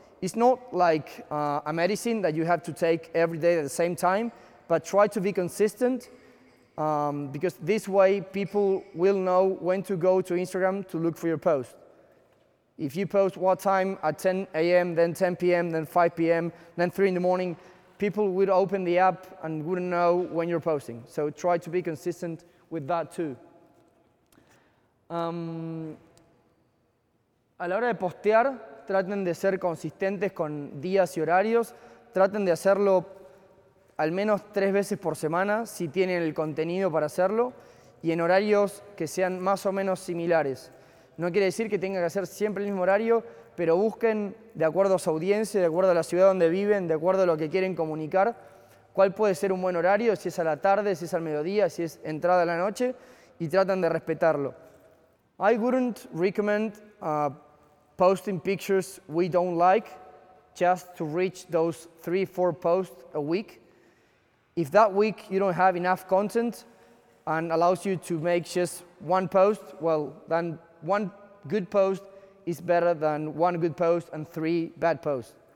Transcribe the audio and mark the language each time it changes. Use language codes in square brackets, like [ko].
[en] It's not like a medicine that you have to take every day at the same time, but try to be consistent, because this way people will know when to go to Instagram to look for your post. If you post what time at 10 a.m., then 10 p.m., then 5 p.m., then 3 in the morning, people would open the app and wouldn't know when you're posting. So try to be consistent with that too. [es] A la hora de postear, traten de ser consistentes con días y horarios. Traten de hacerlo al menos 3 veces por semana, si tienen el contenido para hacerlo, y en horarios que sean más o menos similares. No quiere decir que tenga que hacer siempre el mismo horario, pero busquen, de acuerdo a su audiencia, de acuerdo a la ciudad donde viven, de acuerdo a lo que quieren comunicar, cuál puede ser un buen horario, si es a la tarde, si es al mediodía, si es entrada a la noche, y tratan de respetarlo. [en] I wouldn't recommend posting pictures we don't like just to reach those 3-4 posts a week. If that week you don't have enough content and allows you to make just one post, well, then one good post is better than one good post and 3 bad posts.